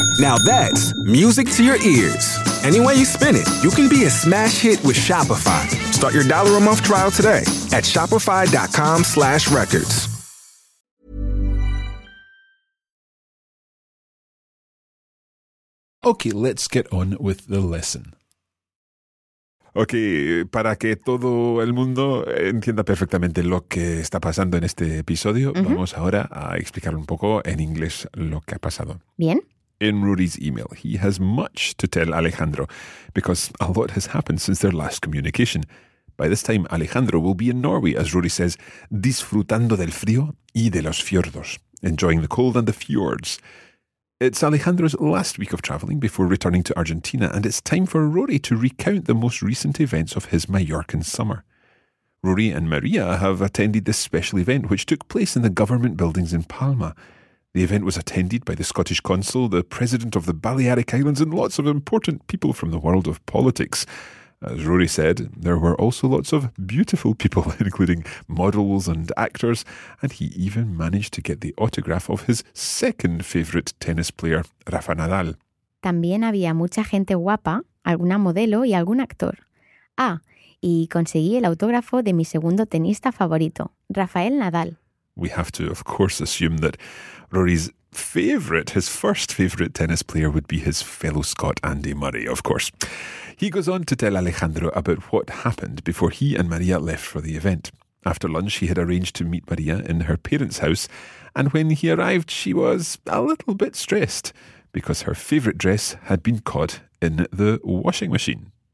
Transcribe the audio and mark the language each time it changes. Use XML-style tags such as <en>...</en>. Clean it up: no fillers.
<en>Now that's music to your ears. Any way you spin it, you can be a smash hit with Shopify. Start your dollar a month trial today at shopify.com/records. Okay, let's get on with the lesson.</en> <es>Okay, para que todo el mundo entienda perfectamente lo que está pasando en este episodio, vamos ahora a explicar un poco en inglés lo que ha pasado. Bien.</es> <en>In Rudy's email, he has much to tell Alejandro because a lot has happened since their last communication. By this time, Alejandro will be in Norway, as Rudy says,</en> <es>disfrutando del frío y de los fiordos,</es> <en>enjoying the cold and the fjords. It's Alejandro's last week of traveling before returning to Argentina, and it's time for Rory to recount the most recent events of his Mallorcan summer. Rory and Maria have attended this special event, which took place in the government buildings in Palma. The event was attended by the Scottish Consul, the President of the Balearic Islands, and lots of important people from the world of politics. As Rory said, there were also lots of beautiful people, including models and actors, and he even managed to get the autograph of his second favourite tennis player, Rafa Nadal.</en> <es>También había mucha gente guapa, alguna modelo y algún actor. Ah, y conseguí el autógrafo de mi segundo tenista favorito, Rafael Nadal.</es> <en>We have to, of course, assume that Rory's favourite, his first favourite tennis player would be his fellow Scot Andy Murray, of course. He goes on to tell Alejandro about what happened before he and Maria left for the event. After lunch, he had arranged to meet Maria in her parents' house, and when he arrived, she was a little bit stressed because her favourite dress had been caught in the washing machine.</en>